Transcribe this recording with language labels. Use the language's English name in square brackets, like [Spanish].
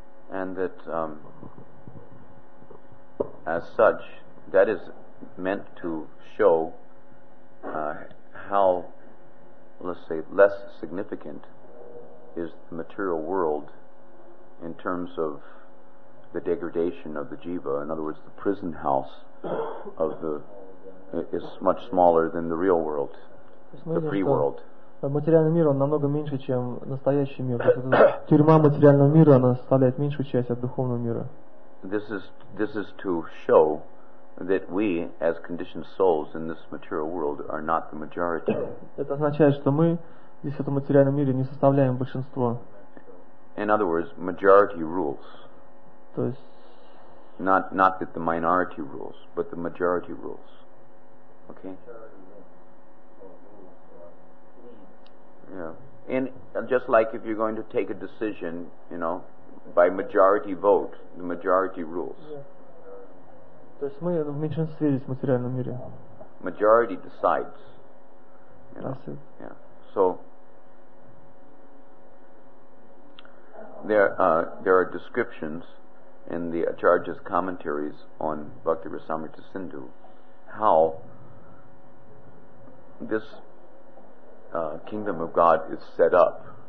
[English] And that as such, that is meant to show how, let's say, less significant is the material world in terms of the degradation of the jiva. In other words, the prison house of the is much smaller than the real world, the free world. [Russian] Материальный мир, он намного меньше, чем настоящий мир. Тюрьма материального мира, она составляет меньшую часть от духовного мира. [English] This is to show that we, as conditioned souls in this material world, are not the majority. [Russian] Это означает, что мы здесь в этом материальном мире не составляем большинство. [English] In other words, majority rules. [Russian] То есть. [English] Not that the minority rules, but the majority rules. Okay. Yeah. And just like if you're going to take a decision, you know, by majority vote, the majority rules. Yeah. [Russian] То есть мы в меньшинстве здесь в материальном мире. [English] Majority decides. You know? That's it. Yeah. So there are descriptions in the Acharya's commentaries on Bhakti Rasamrita Sindhu how this kingdom of God is set up.